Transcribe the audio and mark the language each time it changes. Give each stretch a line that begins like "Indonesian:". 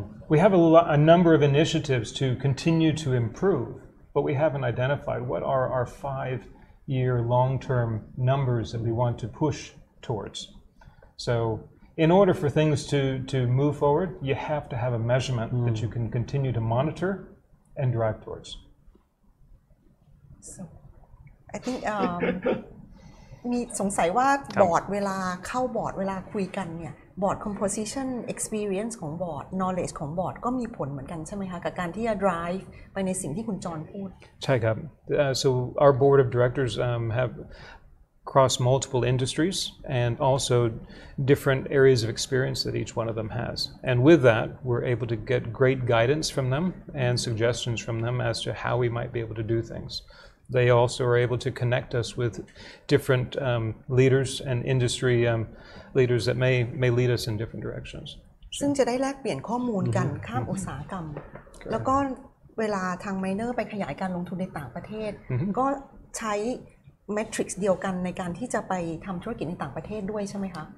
English: We have a number of initiatives to continue to improve, but we haven't identified what are our 5-year long-term numbers that we want to push towards. So in order for things to move forward, you have to have a measurement that you can continue to monitor and drive towards? So, I think
Thai: มีสงสัยว่าบอร์ดเวลาเข้าบอร์ดเวลาคุยกันเนี่ยบอร์ด composition experience ของบอร์ด knowledge ของบอร์ดก็มีผลเหมือนกันใช่ไหมคะกับการที่จะ drive ไปในสิ่งที่คุณจอห์นพูด ใช่ครับ
English: so our board of directors have cross multiple industries and also different areas of experience that each one of them has and with that we're able to get great guidance from them and suggestions from them as to how we might be able to do things they also are able to connect us with different leaders and industry leaders that may lead us in different directions
Thai: ซึ่งจะได้แลกเปลี่ยนข้อมูลกันข้ามอุตสาหกรรมแล้วก็เวลาทางไมเนอร์ไปขยายการลงทุนในต่างประเทศก็ใช้เมทริกซ์เดียวกันในการที่จะไปทำธุรกิจในต่างประเทศด้วยใช่ไหมคะ